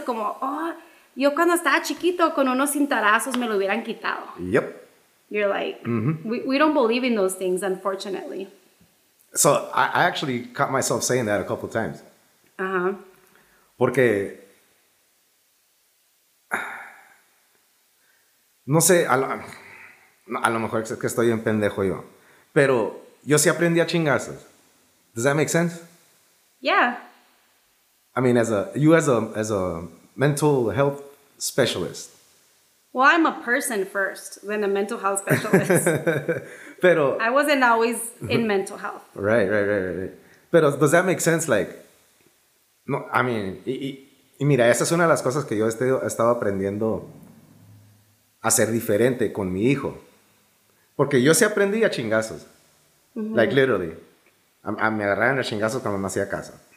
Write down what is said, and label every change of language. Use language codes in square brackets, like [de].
[es] Como, oh, yo cuando estaba chiquito con unos cintarazos me lo hubieran quitado. [en] Yep. You're like, we don't believe in those things, unfortunately. So I actually caught myself saying that a couple of times. Uh-huh. [es] Porque, no sé, a lo mejor es que estoy en pendejo yo, pero yo sí aprendí a chingazos. [en] Does that make sense? Yeah. I mean, as a mental health specialist. Well, I'm a person first, then a mental health specialist. [es] Pero [en] I wasn't always in mental health. Right. Pero does that make sense? Like, no, I mean, [es] y mira, esa es una de las cosas que yo estaba aprendiendo a ser diferente con mi hijo. Porque yo sí aprendí a chingazos. Mm-hmm. [en] Like, literally. [es] Me agarraron a chingazos cuando me hacía caso.